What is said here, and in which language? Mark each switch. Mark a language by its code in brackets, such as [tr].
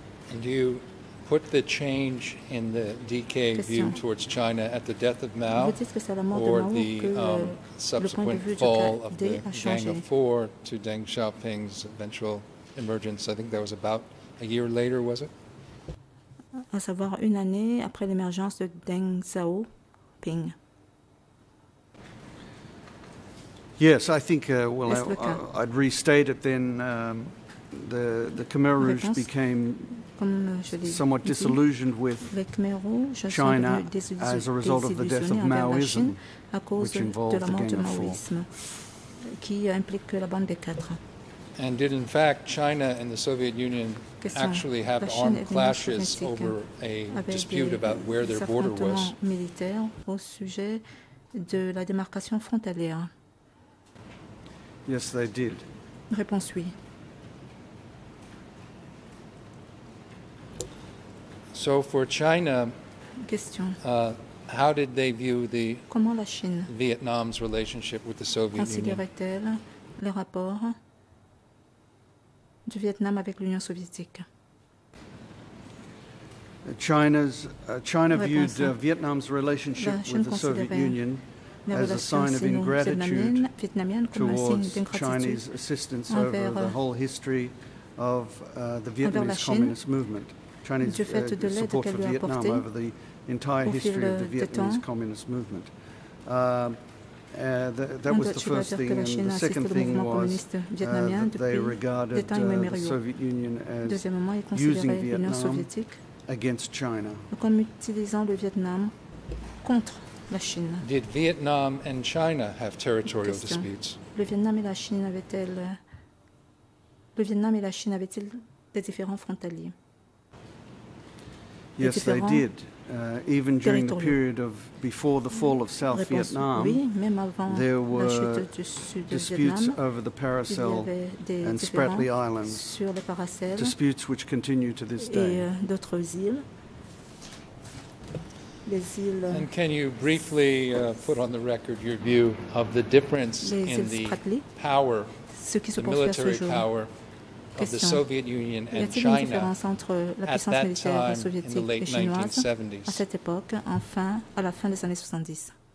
[en] And do you put the change in the DK view towards China at the death of Mao or the subsequent fall of the Gang of Four to Deng Xiaoping's eventual emergence? I think that was about a year later, was it? [fr] À savoir une année après l'émergence de Deng Xiaoping. [en] Yes, I think, I'd restate it then. The Khmer Rouge became somewhat disillusioned with China as a result of the death of Maoism, which involved the Gang of Four. [fr] Qui implique la bande des quatre. [en] And did, in fact, China and the Soviet Union actually have armed clashes over a dispute about where their border was? [fr] Militaire au sujet de la démarcation frontalière. [en] Yes, they did. [fr] Réponse oui. [en] So for China, [fr] question. [en] How did they view the [fr] comment la Chine [en] Vietnam's relationship with the Soviet Union? [fr] Considérait-elle le rapport du Vietnam avec l'Union soviétique? [en] China viewed Vietnam's relationship with the Soviet Union as a sign of ingratitude towards Chinese assistance over the whole history of the Vietnamese communist movement. Chinese support for Vietnam over the entire history of the Vietnamese communist movement. That was the first thing, and the second thing was that they regarded the Soviet Union as using Vietnam against China. [fr] Comme utilisant le Vietnam contre la Chine. [en] Did Vietnam and China have territorial disputes? [fr] Le Vietnam et la Chine avaient-ils des différents frontaliers? [en] Yes, they did. Even during the period of before the fall of South Vietnam, there were disputes over the Paracel and Spratly Islands, disputes which continue to this day. And can you briefly put on the record your view of the difference in the power, the military power, of the Soviet Union and China at that time in the late 1970s? [fr] À cette époque, à la fin des années 70.